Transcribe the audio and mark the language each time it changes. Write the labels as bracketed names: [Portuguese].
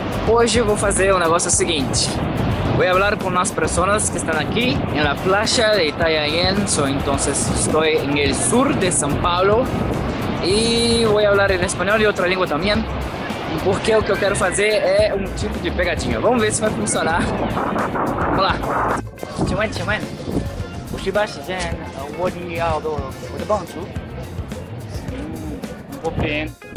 [Portuguese] Hoje eu vou fazer o negócio seguinte. [Spanish] Voy a hablar con las personas que están aquí en la playa de Itayaén. Entonces estoy en el sur de São Paulo y voy a hablar en español y otra lengua también. [Portuguese] Porque o que eu quero fazer é um tipo de pegadinha. Vamos ver se vai funcionar. Vamos lá. Chamando, chamando. O Sebastian, o Odial do Bantu. Sim, um pouquinho.